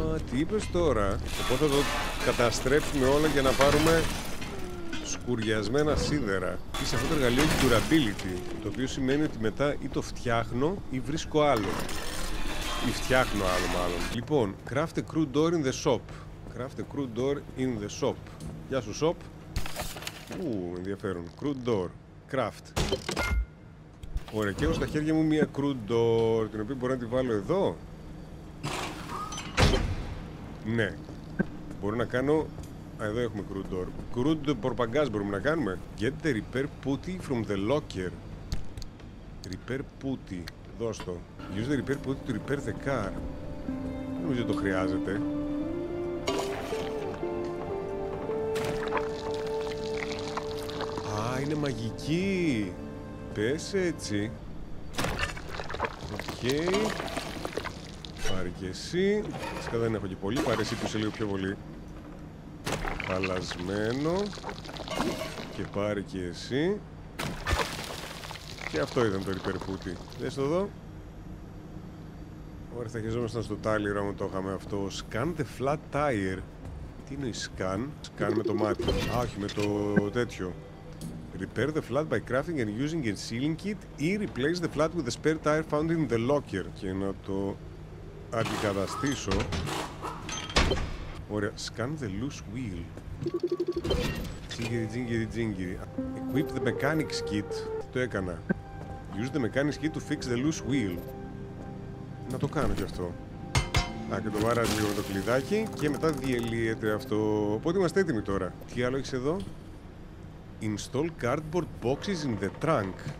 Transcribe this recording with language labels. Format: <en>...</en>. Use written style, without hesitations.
<el>Τι είπες τώρα, οπότε θα το καταστρέψουμε όλα για να πάρουμε σκουριασμένα σίδερα. Και σε αυτό το εργαλείο έχει durability, το οποίο σημαίνει ότι μετά ή το φτιάχνω ή βρίσκω άλλο. Ή φτιάχνω άλλο μάλλον.</el> <en>Λοιπόν, craft a crude door in the shop. Craft a crude door in the shop.</en> <el>Γεια σου shop. Ου, ενδιαφέρον. Crude door. Craft. Ωραία, και έχω στα χέρια μου μία crude door, την οποία μπορώ να τη βάλω εδώ. Ναι, μπορώ να κάνω... Α, εδώ έχουμε crude door.</el> <en>Crude porpagas</en> <el>μπορούμε να κάνουμε.</el> <en>Get the repair putty from the locker. Repair putty.</en> <el>δώσ' το.</el> <en>Use the repair pod to repair the car.</en> <el>Νομίζω το χρειάζεται. Α, είναι μαγική. Πες έτσι. Οκ. Πάρε και εσύ. Φυσικά δεν έχω και πολύ. Πάρε εσύ τους λίγο πιο πολύ. Χαλασμένο. Και πάρε και εσύ. Και αυτό ήταν το repair πουτι. Δες το εδώ. Ωραία, θα χαιζόμασταν στο Tyler όμως το είχαμε αυτό.</el> <en>Scan the flat tire.</en> <el>Τι είναι η scan? Scan με το μάτι. Α, όχι, με το τέτοιο.</el> <en>Repair the flat by crafting and using a sealing kit ή replace the flat with the spare tire found in the locker.</en> <el>Και να το αντικαταστήσω.</el> <en>Ωραία, scan the loose wheel. Τζίγκυρι, τζίγκυρι, τζίγκυρι. Equip the mechanics kit.</en> <el>Το έκανα.</el> <en>Use the mechanics kit to fix the loose wheel.</en> <el>Να το κάνω κι αυτό. Α, και το βάραζε λίγο το κλειδάκι και μετά διελύεται αυτό. Οπότε είμαστε έτοιμοι τώρα. Τι άλλο έχεις εδώ?</el> <en>Install cardboard boxes in the trunk.</en>